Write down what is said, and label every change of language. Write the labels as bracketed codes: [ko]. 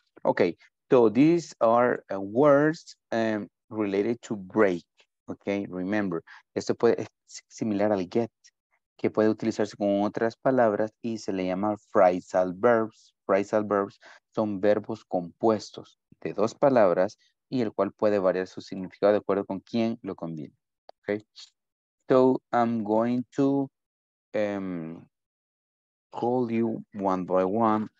[en] Ok, so these are words related to break. [es] Ok, [en] remember, [es] esto puede, es similar al get, que puede utilizarse con otras palabras y se le llama phrasal verbs. Phrasal verbs son verbos compuestos de dos palabras y el cual puede variar su significado de acuerdo con quién lo conviene. [en] Okay. So I'm going to call you one by one.